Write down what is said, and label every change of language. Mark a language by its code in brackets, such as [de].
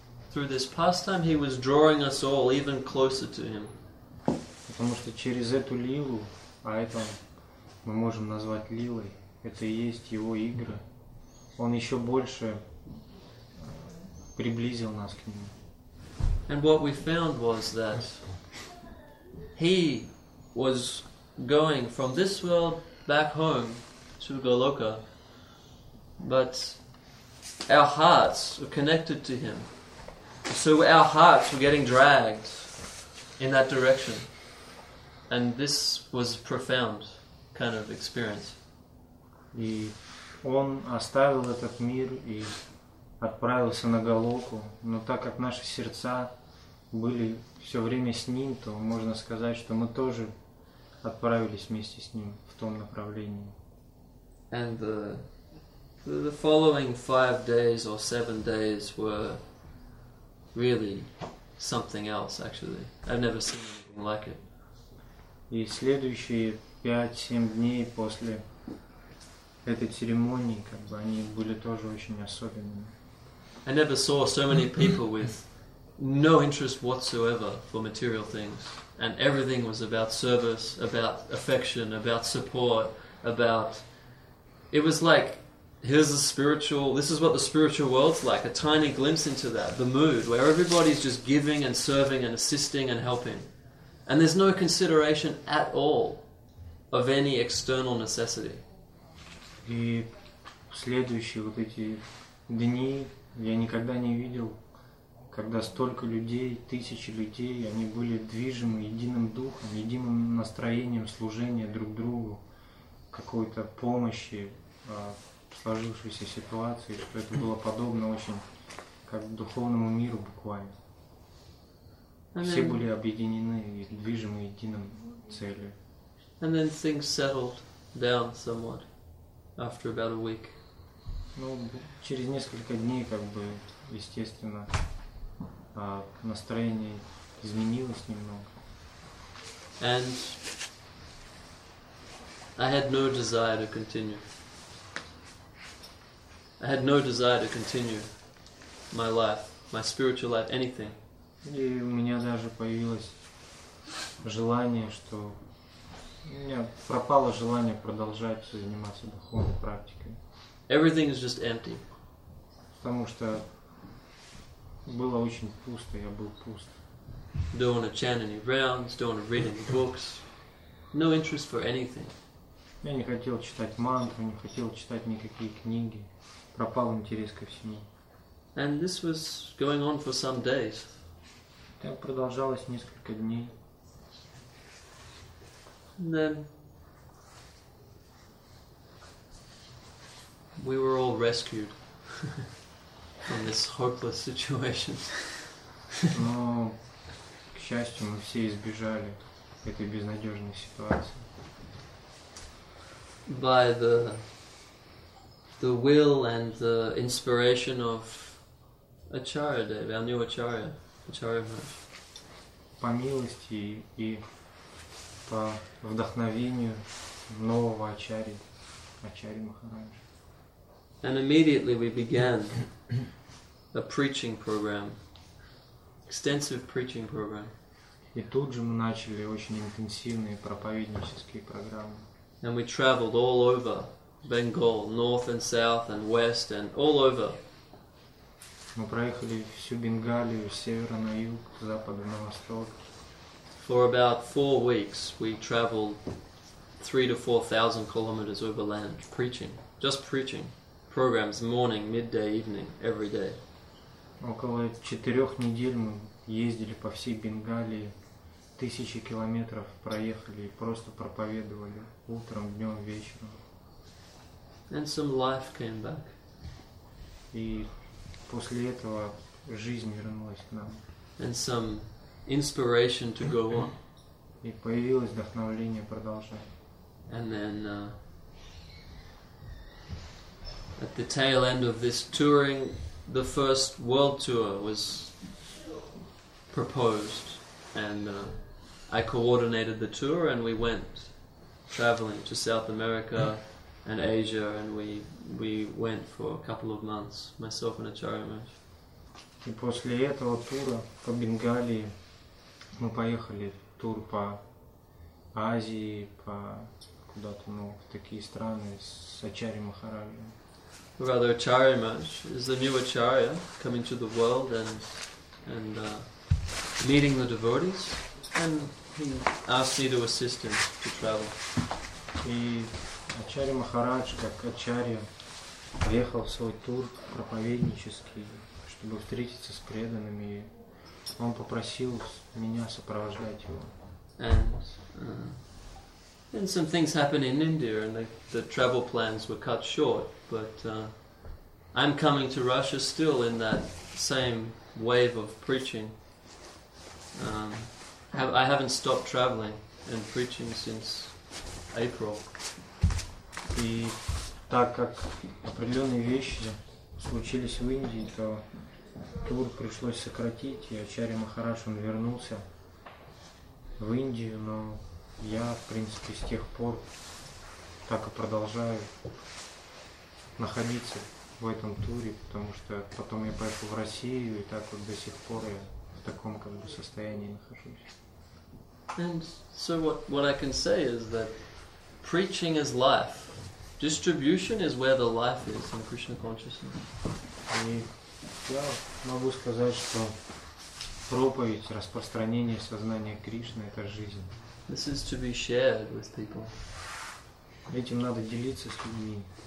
[en] Through this pastime, he was drawing us all even closer to him. [ru] Потому что через эту лилу, мы можем назвать лилой, это и есть его игры. Он еще больше приблизил нас к нему. [en] And what we found was that he was going from this world back home to Goloka, but our hearts were connected to him. So our hearts were getting dragged in that direction. And this was profound. Kind of experience. [ru] И он оставил этот мир и отправился на Голоку, но так как наши сердца были все время с ним, то можно сказать, что мы тоже отправились вместе с ним в том направлении. [en] And the following 5 days or 7 days were really something else, actually. I've never seen anything like it. [ru] И следующие 5-7 дней после этой церемонии, как бы, они были тоже очень особенными. [en] I never saw so many people with no interest whatsoever for material things. And everything was about service, about affection, about support, about... It was like, here's the spiritual... This is what the spiritual world's like, a tiny glimpse into that, the mood, where everybody's just giving and serving and assisting and helping. And there's no consideration at all of any external necessity. [ru] И следующие вот эти дни я никогда не видел, когда столько людей, тысячи людей, они были движимы единым духом, единым настроением служения друг другу, какой-то помощи в сложившейся ситуации, что это было подобно очень как духовному миру буквально. Все были объединены и движимы единым целью. [en] And then things settled down somewhat after about a week. [ru] Ну, через несколько дней, как бы, естественно, настроение изменилось немного. [en] And I had no desire to continue. I had no desire to continue my life, my spiritual life, anything. [ru] И у меня даже появилось желание, что... У меня пропало желание продолжать заниматься духовной практикой. [en] Everything is just empty. [ru] Потому что было очень пусто, я был пуст. [en] Don't want to chant any rounds, don't want to read any books. No interest for anything. [ru] Я не хотел читать мантру, не хотел читать никакие книги. Пропал интерес ко всему. [en] And this was going on for some days. [ru] Так продолжалось несколько дней. [en] And then we were all rescued from this hopeless situation. [ru] Но, к счастью, мы все избежали этой безнадежной ситуации. [en] By the will and the inspiration of Acharya Dev, our new Acharya, Acharya Maharaj. [ru] По милости и по вдохновению нового Ачарьи, Ачарьи Махараджа. [en] And immediately we began a preaching program, extensive preaching program. [ru] И тут же мы начали очень интенсивные проповеднические программы. [en] And we traveled all over Bengal, north and south and west and all over. [ru] Мы проехали всю Бенгалию, с севера на юг, с запада на восток. [en] For about 4 weeks, we traveled 3,000 to 4,000 kilometers over land, preaching, just preaching, programs, morning, midday, evening, every day. [ru] Около 4 недель мы ездили по всей Бенгалии, тысячи километров проехали и просто проповедовали утром, днем, вечером. [en] And some life came back. [ru] И после этого жизнь вернулась к нам. [en] And some inspiration to go on. [ru] И появилось вдохновение продолжать. [en] And then at the tail end of this touring, the first world tour was proposed, and I coordinated the tour, and we went traveling to South America and Asia, and we went for a couple of months, myself and Acharya Maharaj. [ru] И после этого тура по Бенгалии мы поехали в тур по Азии, по куда-то, ну, в такие страны с Ачарьей Махараджем. [en] Rather, Acharya Maharaj is the new Acharya coming to the world and meeting the devotees, and he asked me to assist him to travel. [ru] И Ачарья Махарадж, как Ачарья, поехал в свой тур проповеднический, чтобы встретиться с преданными. Он попросил меня сопровождать его. [en] And some things happened in India, and the travel plans were cut short. But I'm coming to Russia still in that same wave of preaching. I haven't stopped traveling and preaching since April. [ru] И так как определенные вещи случились в Индии, то тур пришлось сократить, и Ачарья Махарадж он вернулся в Индию, но я, в принципе, с тех пор так и продолжаю находиться в этом туре, потому что потом я поехал в Россию, и так вот до сих пор я в таком как бы состоянии нахожусь. [en] And so what I can say is that preaching is life. Distribution is where the life is in Krishna consciousness. [ru] И я могу сказать, что проповедь, распространение сознания Кришны — это жизнь. [en] This is to be shared with people. [ru] Этим надо делиться с людьми.